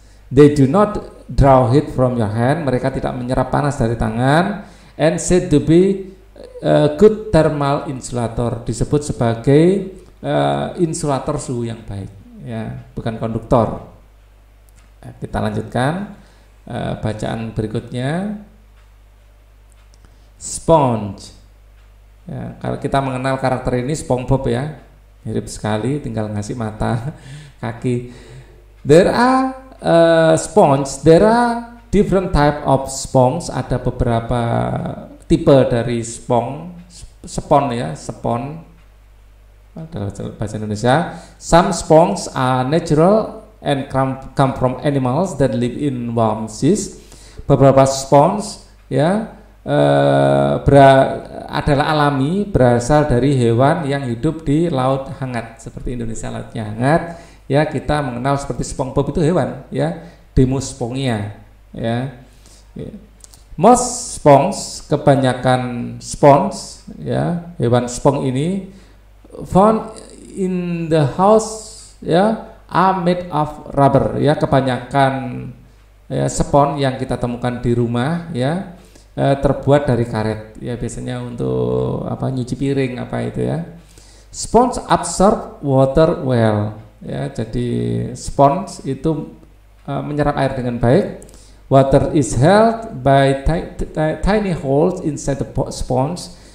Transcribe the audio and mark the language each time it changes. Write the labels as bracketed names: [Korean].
[English] They do not draw heat from your hand. [Indonesian] Mereka tidak menyerap panas dari tangan. [English] And said to be good thermal insulator, [Indonesian] disebut sebagai insulator suhu yang baik, ya, bukan konduktor. Kita lanjutkan bacaan berikutnya. Sponge, ya, kalau kita mengenal karakter ini SpongeBob, ya, mirip sekali, tinggal ngasih mata, kaki. [English] There are sponge. There are different type of sponge. [Indonesian] Ada beberapa tipe dari spon. Adalah bahasa Indonesia. [English] Some sponge are natural and come from animals that live in warm seas. [Indonesian] Beberapa sponge, ya, adalah alami, berasal dari hewan yang hidup di laut hangat. Seperti Indonesia lautnya hangat, ya, kita mengenal seperti SpongeBob itu hewan, ya, Demospongia, ya. [English] Most sponge, [Indonesian] kebanyakan sponge, ya, hewan sponge ini [English] found in the house, ya, are made of rubber, ya. [Indonesian] Kebanyakan, ya, sponge yang kita temukan di rumah, ya, terbuat dari karet, ya, biasanya untuk apa, nyuci piring, apa itu, ya. [English] Sponge absorb water well, [Indonesian] ya. Jadi sponge itu menyerap air dengan baik. [English] Water is held by tiny holes inside the sponge.